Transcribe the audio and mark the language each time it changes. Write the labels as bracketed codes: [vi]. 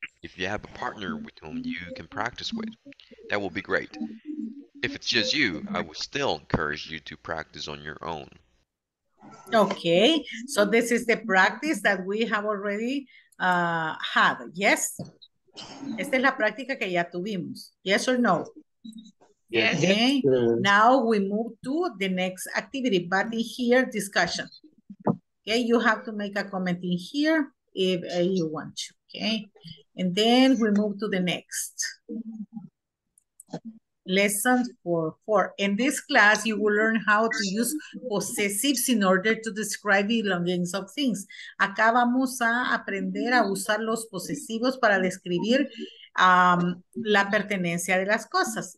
[en] If you have a partner with whom you can practice with, that will be great. If it's just you, I would still encourage you to practice on your own. Okay, so this is the practice that we have already had, yes? [es] Esta es la práctica que ya tuvimos, [en] yes or no? Yes. Okay, now we move to the next activity, but in here, discussion. Okay, you have to make a comment in here if you want to, okay? And then we move to the next. Lesson 4. In this class, you will learn how to use possessives in order to describe belongings of things. [es] Acá vamos a aprender a usar los posesivos para describir la pertenencia de las cosas.